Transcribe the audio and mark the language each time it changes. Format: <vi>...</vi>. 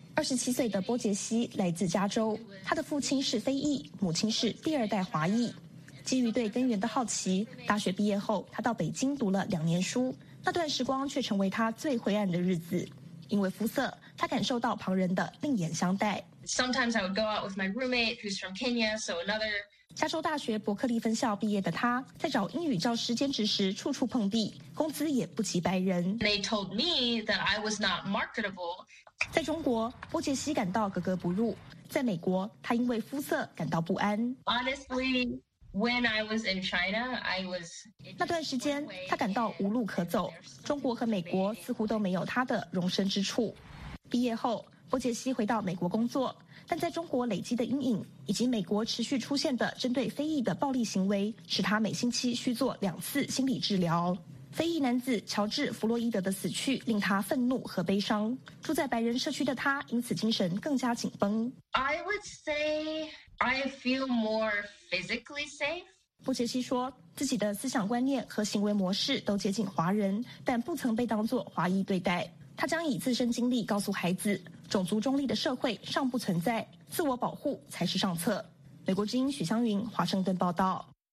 <zh>27岁的波杰西来自加州，他的父亲是非裔，母亲是第二代华裔。基于对根源的好奇，大学毕业后他到北京读了2年书，那段时光却成为他最灰暗的日子。因为肤色，他感受到旁人的另眼相待。</zh> <en>Sometimes I would go out with my roommate who's from Kenya, so another.</en> <zh>加州大学伯克利分校毕业的他，在找英语教师兼职时处处碰壁，工资也不及白人。</zh> <en>They told me that I was not marketable.</en> <zh>在中国，波杰西感到格格不入；在美国，他因为肤色感到不安。</zh> <en>Honestly, when I was in China, I was.</en> <zh>那段时间，他感到无路可走，中国和美国似乎都没有他的容身之处。毕业后，波杰西回到美国工作，但在中国累积的阴影以及美国持续出现的针对非裔的暴力行为，使他每星期需做2次心理治疗。非裔男子乔治·弗洛伊德的死去令他愤怒和悲伤，住在白人社区的他因此精神更加紧绷。</zh> <en>I would say I feel more physically safe.</en> <zh>波杰西说自己的思想观念和行为模式都接近华人，但不曾被当作华裔对待。他将以自身经历告诉孩子，种族中立的社会尚不存在，自我保护才是上策。美国之音许湘云华盛顿报道。</zh>